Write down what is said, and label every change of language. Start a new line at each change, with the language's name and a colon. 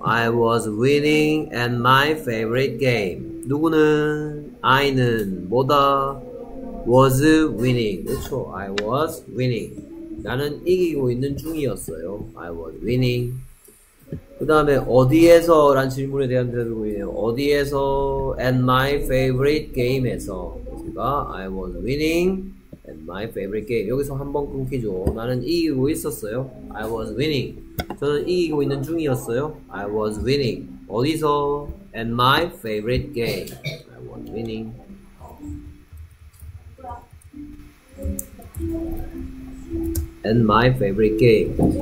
English: I was winning at my favorite game.
Korean: 누구는?
English: I는 뭐다? Was winning.
Korean: 그렇죠.
English: I was winning.
Korean: 나는 이기고 있는 중이었어요.
English: I was winning.
Korean: 그 다음에 어디에서 라는 질문에 대한 대답이 있네요. 어디에서
English: and my favorite game에서
Korean: 제가
English: I was winning and my favorite game.
Korean: 여기서 한번 끊기죠. 나는 이기고 있었어요.
English: I was winning.
Korean: 저는 이기고 있는 중이었어요.
English: I was winning.
Korean: 어디서
English: and my favorite game. I was winning. 앤 마이 페이브릿 게임.